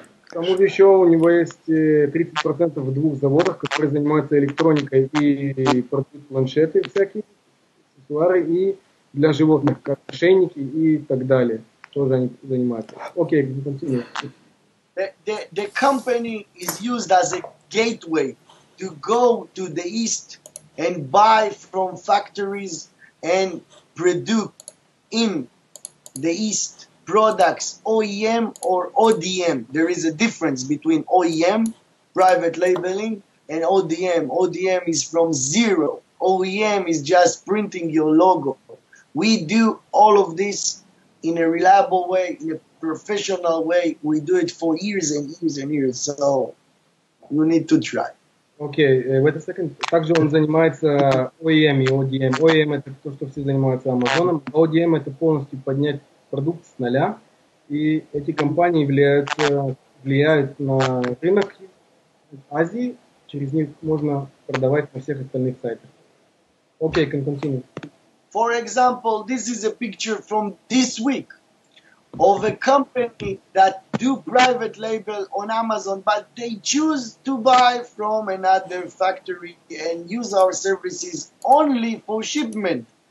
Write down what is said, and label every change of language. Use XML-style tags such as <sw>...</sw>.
<ru>Там уже ещё у него есть 30% в двух заводах, которые занимаются электроникой и продают планшеты всякие, аксессуары и для животных, как ошейники и так далее. Тоже они занимаются. Окей,</ru> <en>okay, continue. The company is used as a gateway to go to the east and buy from factories and produce in the east products OEM or ODM. There is a difference between OEM, private labeling, and ODM. ODM is from zero. OEM is just printing your logo. We do all of this in a reliable way, in a professional way. We do it for years and years and years. So you need to try. Okay, wait a second.</en> <ru>Также он занимается OEM и ODM. OEM – это то, что все занимаются Amazon. ODM – это полностью поднять продукт с нуля. И эти компании влияют на рынок Азии. Через них можно продавать на всех остальных сайтах.</ru> <en>Okay, can continue. For example, this is a picture from this week of a company that do private label on Amazon, but they choose to buy from another factory and use our services only for shipment.</en>